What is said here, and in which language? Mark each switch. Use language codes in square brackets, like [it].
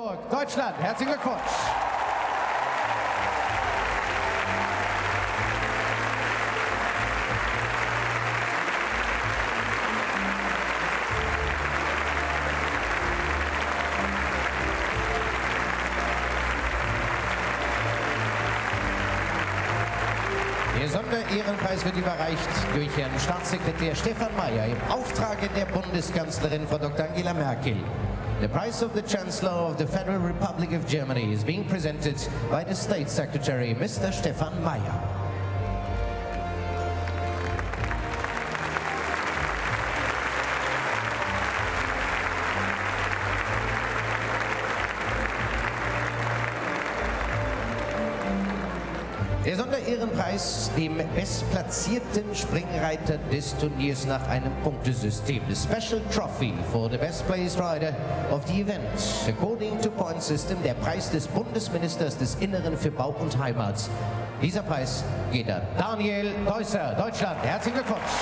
[de] Deutschland, herzlichen Glückwunsch. Der Sonderehrenpreis wird überreicht durch Herrn Staatssekretär Stefan Mayer im Auftrage der Bundeskanzlerin Frau Dr. Angela Merkel. [en] The prize of the Chancellor of the Federal Republic of Germany is being presented by the State Secretary, Mr. Stefan Mayer. [de] Der Sonderehrenpreis dem bestplatzierten Springreiter des Turniers nach einem Punktesystem. [en] The special trophy for the best placed rider of the event. According to point system, [de] der Preis des Bundesministers des Inneren für Bau und Heimat. Dieser Preis geht an Daniel Deusser, Deutschland. Herzlichen Glückwunsch.